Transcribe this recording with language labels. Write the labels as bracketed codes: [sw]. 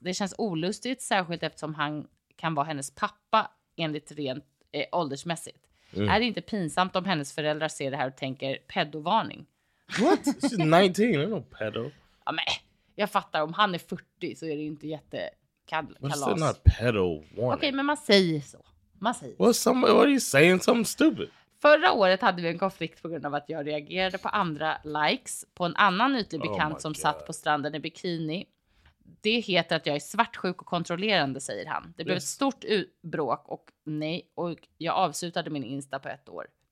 [sv] Det känns olustigt, särskilt eftersom han kan vara hennes pappa enligt rent åldersmässigt. Är det inte pinsamt om hennes föräldrar ser det här och tänker pedovarning? [en] What? She's 19, I don't know pedo. [sv] Ja, men jag fattar, om han är 40 så är det inte jätte kalas. [en] What's that, not pedovarning? [sv] Okej, men man säger så. Man säger [en] well, somebody, what are you saying, something stupid? [sv] Förra året hade vi en konflikt på grund av att jag reagerade på andra likes på en annan ytlig bekant som satt på stranden i bikini. Det heter att jag är svartsjuk och kontrollerande, säger han. Det blev ett stort bråk och nej. Och jag avslutade min Insta på ett år.